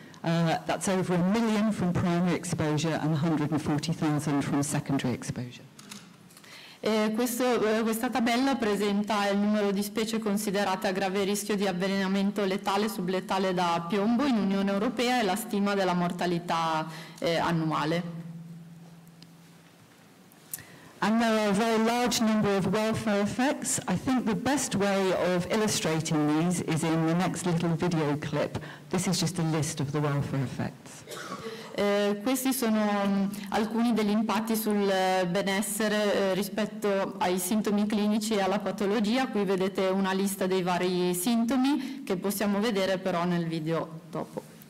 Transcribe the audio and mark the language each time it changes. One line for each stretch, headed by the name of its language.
English: That's over 1 million from primary exposure and 140,000 from secondary exposure.
Italian: Questa tabella presenta il numero di specie considerate a grave rischio di avvelenamento letale e subletale da piombo in Unione Europea e la stima della mortalità annuale.
English: And there are a very large number of welfare effects. I think the best way of illustrating these is in the next little video clip. This is just a list of the welfare effects.
Italian: Questi sono alcuni degli impatti sul benessere rispetto ai sintomi clinici e alla patologia. Qui vedete una lista dei vari sintomi che possiamo vedere però nel video dopo.